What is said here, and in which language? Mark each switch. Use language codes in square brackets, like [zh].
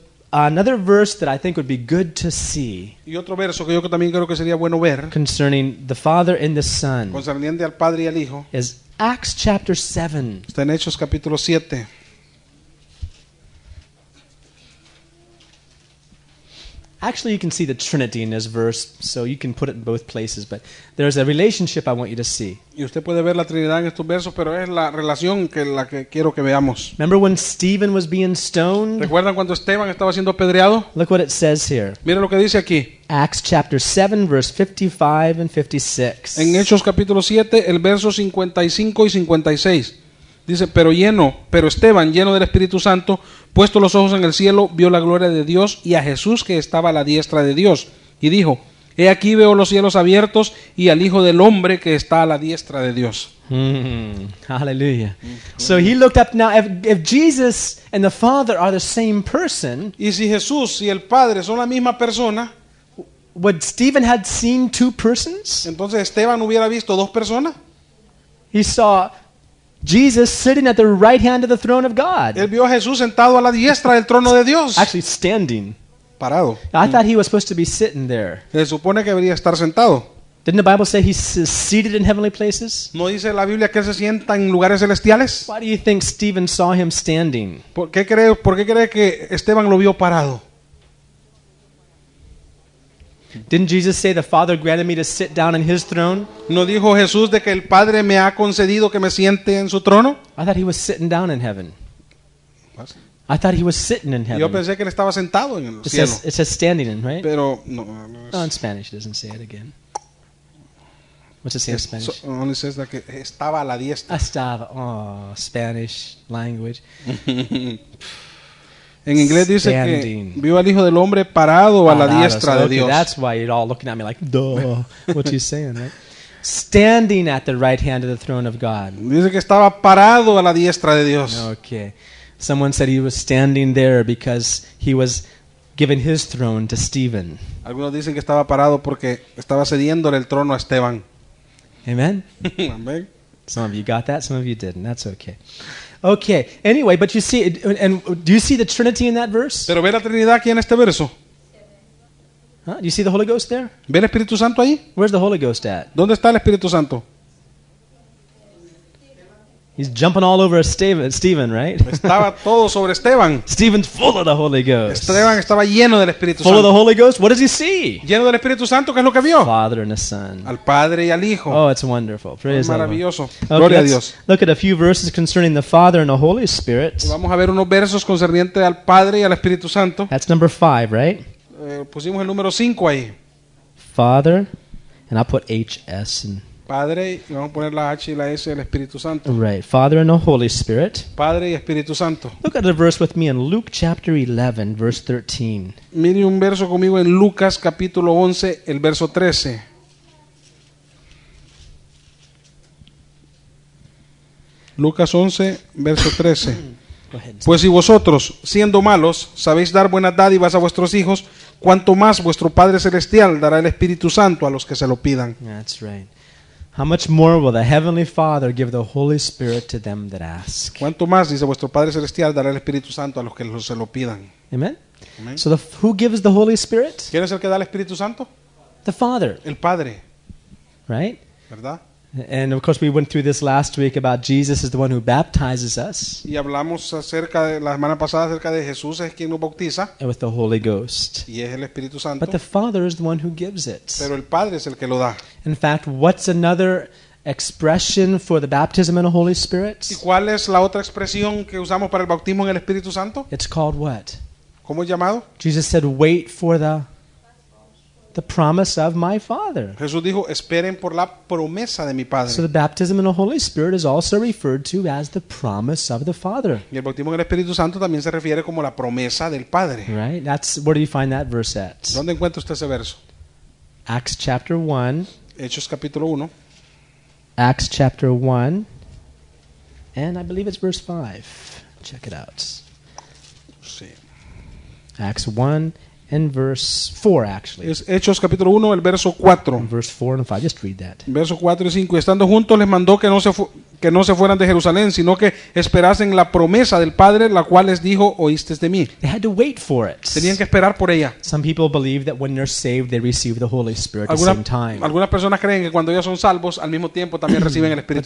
[en] Another verse that I think would be good to see. [es] Y otro verso que yo también creo que sería bueno ver. [en] Concerning the Father and the Son. [es] Concerniente al Padre y al Hijo. [en] Is Acts chapter 7. [es] Está en Hechos capítulo 7. [en] Actually, you can see the Trinity in this verse, so you can put it in both places, but there's a relationship I want you to see. [es] Y usted puede ver la Trinidad en estos versos, pero es la relación que la que quiero que veamos. [en] Remember when Stephen was being stoned? [es] ¿Recuerdan cuando Esteban estaba siendo apedreado? [en] Look what it says here. [es] Mira lo que dice aquí. [en] Acts chapter 7 verse 55 and 56. [es] En Hechos capítulo 7, el verso 55 y 56. Dice, pero Esteban, lleno del Espíritu Santo, puesto los ojos en el cielo, vio la gloria de Dios y a Jesús que estaba a la diestra de Dios. Y dijo, he aquí veo los cielos abiertos y al Hijo del Hombre que está a la diestra de Dios. Aleluya. [en] So he looked up now, if Jesus and the Father are the same person, [es] y si Jesús y el Padre son la misma persona, [en] would Stephen had seen two persons? [es] Entonces Esteban hubiera visto dos personas. [en] He saw Jesus sitting at the right hand of the throne of God. [es] Él vio a Jesús sentado a la diestra del trono de Dios. [en] Actually standing. [es] Parado. [en] I thought he was supposed to be sitting there. [es] Se supone que debería estar sentado. [en] Didn't the Bible say he's seated in heavenly places? [es] ¿No dice la Biblia que él se sienta en lugares celestiales? [en] Why do you think Stephen saw him standing? [es] ¿Por qué cree que Esteban lo vio parado? [en] Didn't Jesus say the Father granted me to sit down in His throne? [es] ¿No dijo Jesús de que el Padre me ha concedido que me siente en su trono? [en] I thought he was sitting down in heaven. What? I thought he was sitting in heaven. [es] Yo pensé que él estaba sentado en el [en] it [es] cielo. [en] It says standing in, right? [es] Pero no es... [en] Oh, in Spanish it doesn't say it again. What's it say in Spanish? So, only says that [es] que estaba a la diestra. [en] Estaba. Oh, Spanish language. [es] En inglés dice [en] standing. [es] Que vio al Hijo del Hombre parado a la diestra de Dios. [en] That's why you're all looking at me like, duh, what you saying, right? Standing at the right hand of the throne of God. [es] Dice que estaba parado a la diestra de Dios. [en] Okay. Someone said he was standing there because he was giving his throne to Stephen. [es] Algunos dicen que estaba parado porque estaba cediéndole el trono a Esteban. [en] Amen. Amen. Some of you got that, some of you didn't. That's okay. Okay. Anyway, but you see, and do you see the Trinity in that verse? [es] Pero ve la Trinidad aquí en este verso. [en] Huh? Do you see the Holy Ghost there? [es] ¿Ve el Espíritu Santo ahí? [en] Where's the Holy Ghost at? [es] ¿Dónde está el Espíritu Santo? [en] He's jumping all over Stephen, right? [es] Estaba todo sobre Esteban. [en] Stephen's full of the Holy Ghost. [es] Esteban estaba lleno del Espíritu Santo. [en] Full of the Holy Ghost. What does he see? [es] Lleno del Espíritu Santo. ¿Qué es lo que vio? [en] Father and the Son. [es] Al Padre y al Hijo. [en] Oh, it's wonderful. Praise God. [es] Maravilloso. Okay, gloria a Dios. [en] Look at a few verses concerning the Father and the Holy Spirit. [es] Vamos a ver unos versos concernientes al Padre y al Espíritu Santo. [en] That's number 5, right? [es] Pusimos el número 5 ahí. [en] Father, and I'll put HS in. [es] Padre, y vamos a poner la H y la S del Espíritu Santo. [en] Right, Father and the Holy Spirit. [es] Padre y Espíritu Santo. [en] Look at a verse with me in Luke chapter 11, verse 13. [es] Mire un verso conmigo en Lucas capítulo 11, el verso 13. Lucas 11, verso 13. Pues si vosotros, siendo malos, sabéis dar buenas dádivas a vuestros hijos, cuanto más vuestro Padre Celestial dará el Espíritu Santo a los que se lo pidan. [en] That's right. How much more will the Heavenly Father give the Holy Spirit to them that ask? [es] Cuanto más, dice vuestro Padre Celestial, dará el Espíritu Santo a los que se lo pidan. [en] Amen. Amen. So who gives the Holy Spirit? [es] ¿Quién es el que da el Espíritu Santo? [en] The Father. [es] El Padre. [en] Right? [es] ¿Verdad? [en] And of course, we went through this last week about Jesus is the one who baptizes us. [es] Y hablamos acerca de, la semana pasada acerca de Jesús es quien nos bautiza. [en] And with the Holy Ghost. [es] Y es el Espíritu Santo. [en] But the Father is the one who gives it. [es] Pero el Padre es el que lo da. [en] In fact, what's another expression for the baptism in the Holy Spirit? [es] ¿Y cuál es la otra expresión que usamos para el bautismo en el Espíritu Santo? [en] It's called what? [es] ¿Cómo es llamado? [en] Jesus said, "Wait for the promise of my Father." [es] Jesús dijo, esperen por la promesa de mi Padre. [en] So the baptism in the Holy Spirit is also referred to as the promise of the Father. [es] Y el bautismo en el Espíritu Santo también se refiere como la promesa del Padre. [en] Right? That's where do you find that verse at? [es] ¿Dónde encuentra usted ese verso? [en] Acts chapter 1. [es] Hechos capítulo 1. [en] Acts chapter 1. And I believe it's verse 5. Check it out. [es] Sí. [en] Acts 1. In verse 4, actually. [es] Es Hechos capítulo 1, el verso 4. [en] Verse 4 and 5, just read that. [es] Verso 4 y 5. Estando juntos, les mandó que no se fueran de Jerusalén, sino que esperasen la promesa del Padre, la cual les dijo, oísteis de mí. [en] They had to wait for it. [es] Tenían que esperar por ella. [en] Some people believe that when they're saved, they receive the Holy Spirit at the same time. [es] Algunas personas creen que cuando ellos son salvos, al mismo tiempo también reciben el Espíritu